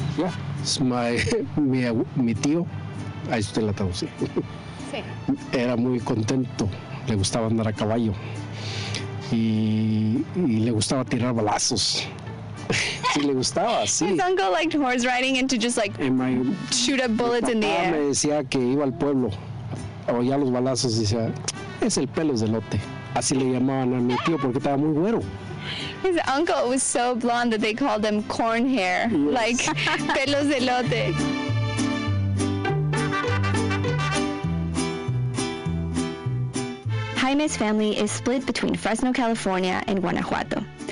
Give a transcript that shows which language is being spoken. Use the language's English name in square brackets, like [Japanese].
[English] Yeah. It's my [Spanish] tío. Ahí usted la traduce. Sí. Era muy contento. Le gustaba andar a caballo. Y le gustaba tirar balazos. Sí, le gustaba, sí. [English] His uncle liked horse riding and to just like shoot up bullets in the air. [Spanish] Mi papá me decía que iba al pueblo. Oía los balazos y decía, es el pelos del lote. Así le llamaban a mi tío porque estaba muy güero. [English] His uncle was so blonde that they called him corn hair. Yes. [Spanish] Like, pelos del lote. [English] Jaime's family is split between Fresno, California and Guanajuato.